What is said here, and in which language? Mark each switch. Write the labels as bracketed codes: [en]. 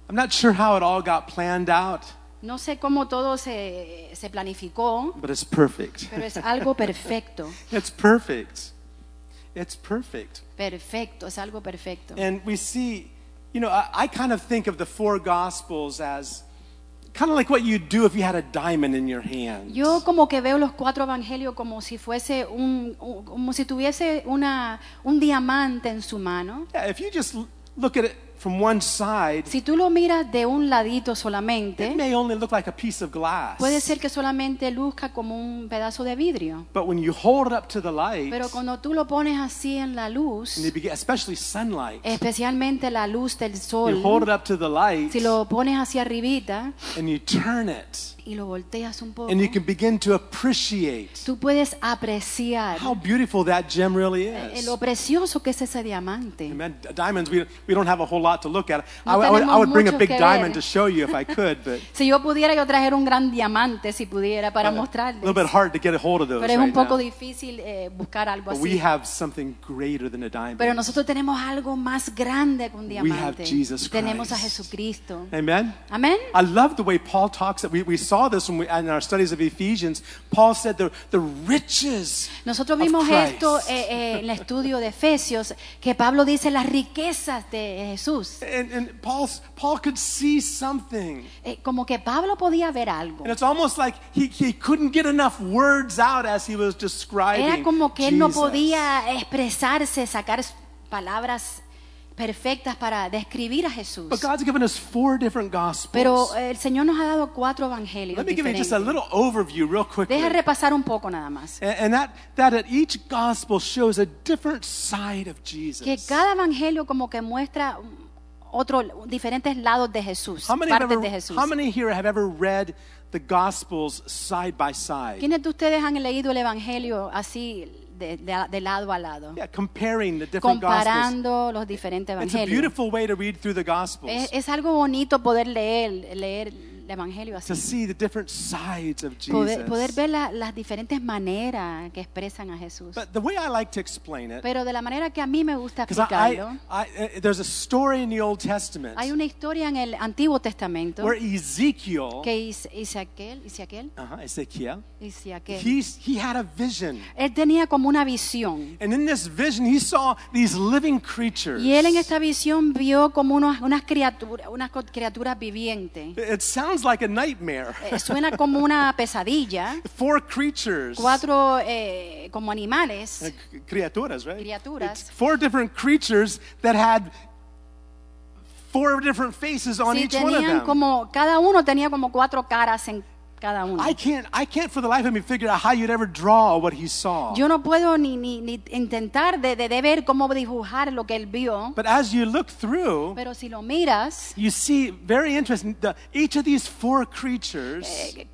[en] I'm not sure how it all got planned out. [es] No sé cómo todo se planificó. [en] But it's perfect. [es] Pero es algo perfecto. [en] It's perfect. It's perfect. [es] Perfecto, es algo perfecto. [en] And we see, you know, I kind of think of the 4 Gospels as kind of like what you'd do if you had a diamond in your hand. [es] Yo como que veo los 4 evangelios como si fuese como si tuviese un diamante en su mano. [en] Yeah, if you just look at it from one side, [es] si tú lo miras de un ladito solamente, [en] it may only look like a piece of glass. [es] Puede ser que solamente luzca como un pedazo de vidrio. [en] But when you hold it up to the light, [es] pero cuando tú lo pones así en la luz, [en] especially sunlight, [es] especialmente la luz del sol, [en] you hold it up to the light, [es] si lo pones hacia arribita, [en] and you turn it, [es] y lo volteas un poco, [en] and you can begin to appreciate, [es] tú puedes apreciar [en] how beautiful that gem really is. [es] Lo precioso que es ese diamante. [en] Amen. Diamonds, we don't have a whole lot to look at. I would bring a big diamond to show you if I could, but [es] si yo pudiera, yo trajera un gran diamante si pudiera para mostrarles. [en] A little bit hard to get a hold of those. [es] Pero es un poco [en] right [es] difícil buscar algo [en] but [es] así. [en] We have something greater than a diamond. [es] Pero nosotros tenemos algo más grande que un diamante. [en] We have Jesus Christ. [es] Tenemos a Jesucristo. [en] Amen. Amen. I love the way Paul talks. We saw this when in our studies of Ephesians. Paul said the riches. [es] Nosotros vimos [en] of Christ. [es] Esto en el estudio de Efesios que Pablo dice las riquezas de Jesús. [en] And Paul could see something. [es] Como que Pablo podía ver algo. [en] And it's almost like he couldn't get enough words out as he was describing. [es] Era como que [en] Jesus. [es] Él no podía expresarse, sacar palabras perfectas para describir a Jesús. [en] But God's given us 4 different gospels. [es] Pero el Señor nos ha dado 4 evangelios. [en] Let me [es] diferentes [en] give you just a little overview real quickly. [es] Deja repasar un poco nada más. [en] And that each gospel shows a different side of Jesus. [es] Que cada evangelio como que muestra otro diferentes lados de Jesús, partes de Jesús. [en] How many here have ever read the gospels side by side? [es] ¿Quiénes de ustedes han leído el evangelio así de lado a lado? [en] Yeah, comparing the different [es] comparando [en] gospels, [es] los diferentes evangelios. [en] It's a beautiful way to read through the gospels. [es] Es algo bonito poder leer el evangelio así. [en] To see the different sides of Jesus. [es] Poder ver las diferentes maneras que expresan a Jesús. [en] But the way I like to explain it. [es] Pero de la manera que a mí me gusta explicarlo. [en] There's a story in the Old Testament. [es] Hay una historia en el Antiguo Testamento. [en] Where Ezekiel. [es] Que Ezequiel. [en] Uh-huh, Ezequiel. [es] Ezequiel. [en] He had a vision. [es] Él tenía como una visión. [en] And in this vision, he saw these living creatures. [es] Y él en esta visión vio como unas criaturas vivientes. [en] It sounds sounds like a nightmare. [es] Suena como una pesadilla. [en] Four creatures. [es] Cuatro como animales. Criaturas, right? Criaturas. [en] It's four different creatures that had four different faces on each one of them. [es] Como, cada uno tenía como cuatro caras en cada uno. [en] I can't for the life of me figure out how you'd ever draw what he saw. [es] Yo no puedo ni intentar de ver cómo dibujar lo que él vio. [en] But as you look through, [es] pero si lo miras, [en] you see very interesting that each of these four creatures,